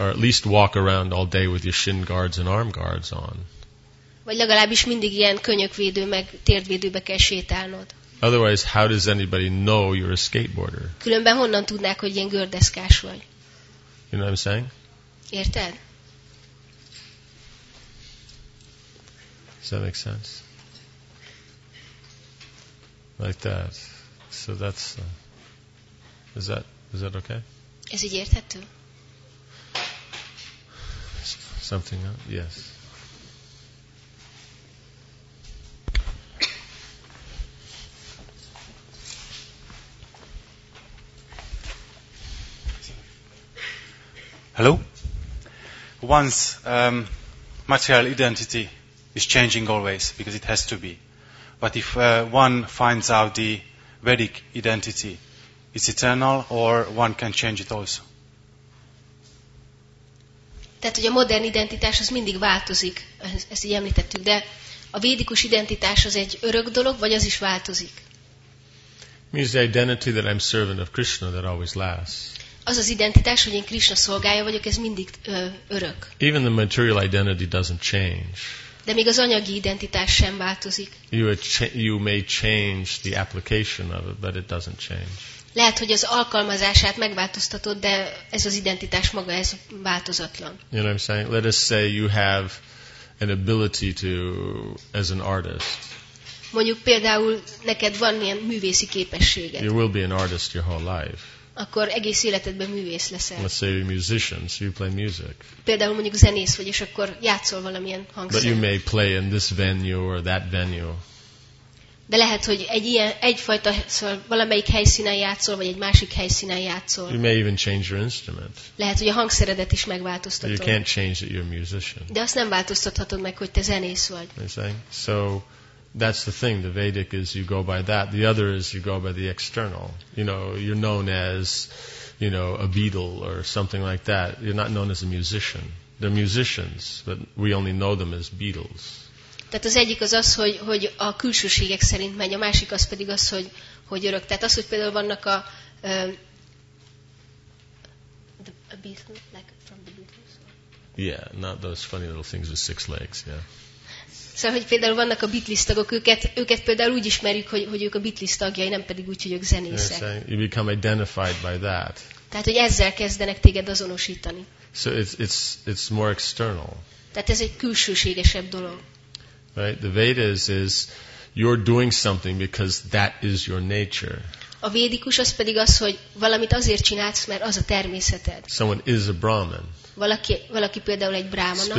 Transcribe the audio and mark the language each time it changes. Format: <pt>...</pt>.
<en>Or at least walk around all day with your shin guards and arm guards on.</en> <hu>Vagy legalábbis mindig ilyen könyökvédő meg térdvédőbe kell sétálnod.</hu> <en>Otherwise, how does anybody know you're a skateboarder?</en> <hu>Különben honnan tudnák, hogy ilyen gördeszkás vagy?</hu> <en>You know what I'm saying?</en> <hu>Érted?</hu> <en>Does that make sense? Like that. So that's... Is that okay?</en> <hu>Ez így érthető?</hu> <en>Something else? Yes. Hello. Once material identity is changing always because it has to be. But if one finds out the Vedic identity, it's eternal or one can change it also.</en> <hu>Tehát hogy a modern identitás az mindig változik, ezt így említettük, de a védikus identitás az egy örök dolog, vagy az is változik?</hu> <en>Means the identity that I'm servant of Krishna that always lasts.</en> <hu>Az az identitás, hogy én Krishna szolgája vagyok, ez mindig örök.</hu> <en>Even the material identity doesn't change.</en> <hu>De még az anyagi identitás sem változik.</hu> <en>You may change the application of it, but it doesn't change.</en> <hu>Lehet, hogy az alkalmazását megváltoztatod, de ez az identitás maga ez változatlan.</hu> <en>You know what I'm saying? Let us say you have an ability to as an artist.</en> <hu>Mondjuk például neked van ilyen művészi képességed.</hu> <en>You will be an artist your whole life.</en> <hu>Akkor egész életedben művész leszel.</hu> <en>Let's say you're a musician, so you play music.</en> <hu>Például mondjuk zenész vagy, és akkor játszol valamilyen hangszeren.</hu> <en>But you may play in this venue or that venue.</en> <hu>De lehet, hogy egy ilyen, egyfajta, szóval valamelyik helyszínen játszol, vagy egy másik helyszínen játszol.</hu> <en>You may even change your instrument.</en> <hu>Lehet, hogy a hangszeredet is megváltoztatod.</hu> <en>You can't change that you're a musician.</en> <hu>De azt nem változtathatod meg, hogy te zenész vagy.</hu> <en>So that's the thing. The Vedic is you go by that. The other is you go by the external. You know, you're known as, you know, a Beatle or something like that. You're not known as a musician. They're musicians, but we only know them as Beatles.</en> <hu>Tehát az egyik az az, hogy a külsőségek szerint megy, a másik az pedig az, hogy örök. Tehát az, hogy például vannak a Beatles,</hu> <en>like from the Beatles. Yeah, not those funny little things with six legs, yeah.</en> <hu>Szóval, hogy például vannak a Beatles tagok, őket például úgy ismerjük, hogy ők a Beatles tagjai, nem pedig úgy, hogy ők zenészek.</hu> <en>You become identified by that.</en> <hu>Tehát, hogy ezzel kezdenek téged azonosítani.</hu> <en>So it's more external.</en> <hu>Tehát ez egy külsőségesebb dolog.</hu> <en>Right? The Vedas is you're doing something because that is your nature.</en> <hu>A védikus az pedig az, hogy valamit azért csinálsz, mert az a természeted.</hu> <en>Someone is a Brahman.</en> <hu>Valaki például egy brahmana.</hu>